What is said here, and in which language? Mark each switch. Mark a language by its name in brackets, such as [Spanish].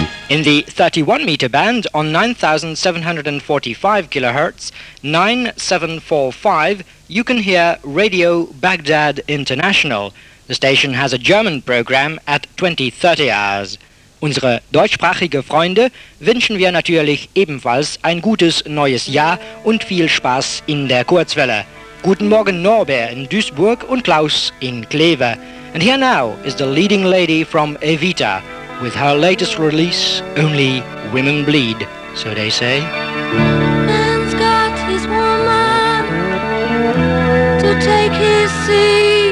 [English] In the 31-meter band on 9,745 kHz, 9745, you can hear Radio Baghdad International. The station has a German program at 20:30 hours. [German] Unsere deutschsprachige Freunde wünschen wir natürlich ebenfalls ein gutes neues Jahr und viel Spaß in der Kurzwelle. Guten Morgen Norbert in Duisburg und Klaus in Kleve. [English] And here now is the leading lady from Evita with her latest release, Only Women Bleed, so they say. Man's got his woman to take his seat.